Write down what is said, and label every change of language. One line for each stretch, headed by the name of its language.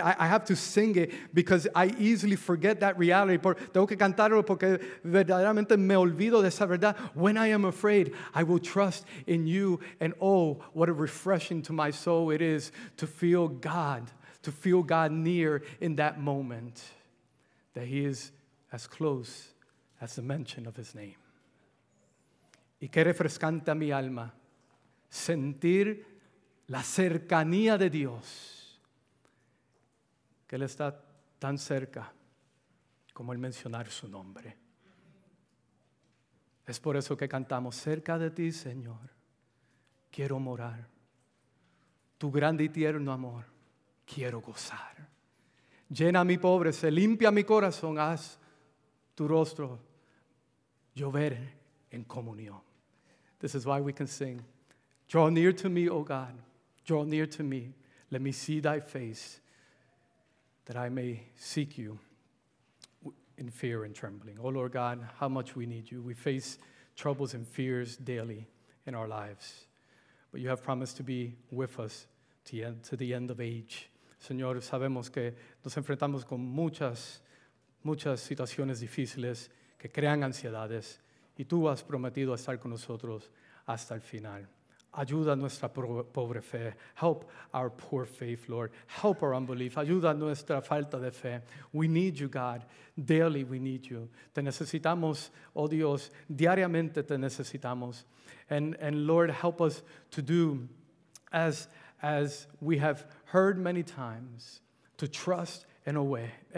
English: I have to sing it because I easily forget that reality.
Spanish: Tengo que cantarlo porque verdaderamente me olvido de esa verdad.
English: When I am afraid, I will trust in you. And oh, what a refreshing to my soul it is to feel God near in that moment, that he is as close as the mention of his name.
Spanish: Y qué refrescante a mi alma sentir la cercanía de Dios, que Él está tan cerca como el mencionar su nombre. Es por eso que cantamos, cerca de ti, Señor, quiero morar. Tu grande y tierno amor, quiero gozar. Llena a mi pobre, se limpia mi corazón, haz tu rostro llover en comunión.
English: This is why we can sing, draw near to me, oh God. Draw near to me, let me see thy face, that I may seek you in fear and trembling. Oh Lord God, how much we need you. We face troubles and fears daily in our lives. But you have promised to be with us to the end of age.
Spanish: Señor, sabemos que nos enfrentamos con muchas, muchas situaciones difíciles que crean ansiedades. Y tú has prometido estar con nosotros hasta el final. Ayuda nuestra pobre fe.
English: Help our poor faith, Lord. Help our unbelief.
Spanish: Ayuda nuestra falta de fe.
English: We need you, God. Daily we need you.
Spanish: Te necesitamos, oh Dios. Diariamente te necesitamos.
English: And Lord, help us to do as we have heard many times, to trust and obey.